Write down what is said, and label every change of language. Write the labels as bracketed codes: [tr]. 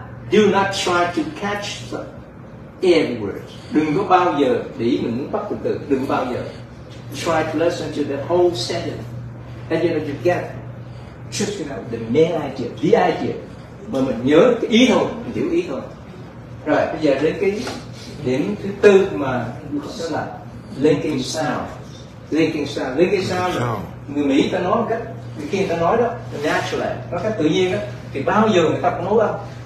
[en] Do not try to catch the every word. [vi] Đừng có bao giờ để ý mình muốn bắt từng từ. Đừng bao giờ. [en] Try to listen to the whole sentence. And you know, you get just, you know, the main idea, the idea. [vi] Mà mình nhớ cái ý thôi, mình hiểu ý thôi. Rồi, bây giờ đến cái điểm thứ tư mà đó là linking sound. Linking sound. Linking sound là người Mỹ ta nói một cách, khi người ta nói đó, naturally, nó cách tự nhiên đó, thì bao giờ người ta cũng nói đó.